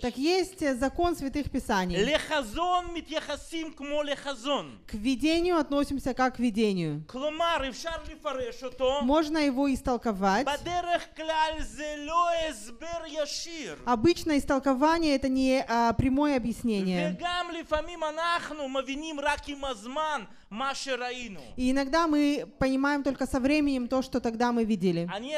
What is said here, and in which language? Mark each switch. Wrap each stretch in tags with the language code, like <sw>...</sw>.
<ru>Так есть закон святых писаний.</ru> <he>לחזון מתייחסים כמו לחזון.</he> <ru>К видению относимся как к видению.</ru> <he>כלומר, אפשר לפרש אותו.</he> <ru>Можно его истолковать.</ru> <he>בדרך כלל זה לא הסבר ישיר.</he> <ru>Обычно истолкование это не прямое объяснение.</ru> <he>וגם לפעמים אנחנו מבינים רק עם הזמן.</he> <ru>И иногда мы понимаем только со временем то, что тогда мы видели.</ru>